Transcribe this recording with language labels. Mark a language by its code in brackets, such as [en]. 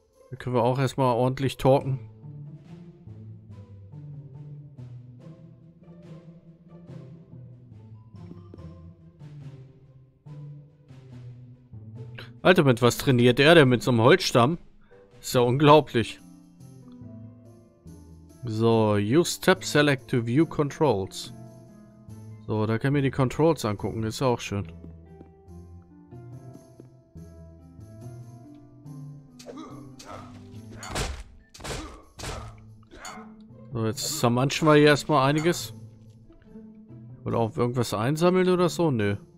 [de] Da können wir auch erstmal ordentlich talken. Alter, mit was trainiert er denn mit so einem Holzstamm? Ist ja unglaublich. [en] So, use tab select to view controls. [de] So, da können wir die Controls angucken, ist auch schön. So, jetzt zermanschen wir hier erstmal einiges. Oder auch irgendwas einsammeln oder so? Nö.